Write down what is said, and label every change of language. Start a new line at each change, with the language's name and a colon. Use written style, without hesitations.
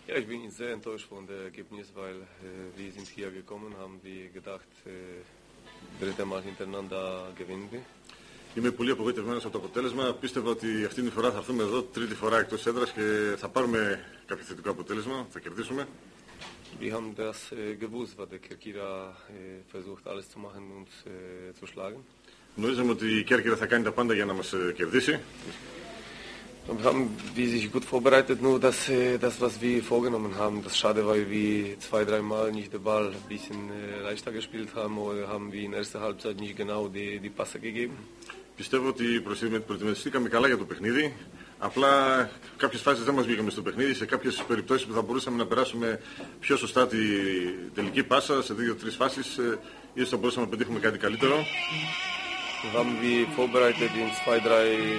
German: Ja, ich bin jetzt sehr enttäuscht von dem Ergebnis, weil wir sind hier gekommen, haben wir gedacht, dritte Mal hintereinander gewinnen wir.
Greek: Είμαι πολύ απογοητευμένος από το αποτέλεσμα. Πίστευα ότι αυτή τη φορά θα έρθουμε εδώ τρίτη φορά εκτός έδρας και θα πάρουμε κάποιο θετικό αποτέλεσμα, θα κερδίσουμε.
German: Wir haben das gewusst, was der Kerkira versucht alles zu machen und zu schlagen.
Greek: Γνωρίζαμε ότι η Κέρκυρα θα κάνει τα πάντα για να μας κερδίσει.
German: Wir haben wie sich gut vorbereitet, nur dass das, was wir vorgenommen haben, das schade, weil wir zwei, dreimal nicht den Ball ein bisschen leichter gespielt haben oder haben wir in der ersten Halbzeit nicht genau die Passe gegeben.
Greek: Πιστεύω ότι προετοιμαστήκαμε καλά για το παιχνίδι. Απλά κάποιες φάσεις δεν μας βγήκαμε στο παιχνίδι. Σε κάποιες περιπτώσεις που θα μπορούσαμε να περάσουμε πιο σωστά τη τελική πάσα, σε δύο-τρεις φάσεις, ίσως θα μπορούσαμε να πετύχουμε κάτι καλύτερο.
German: Haben wir vorbereitet in zwei, drei.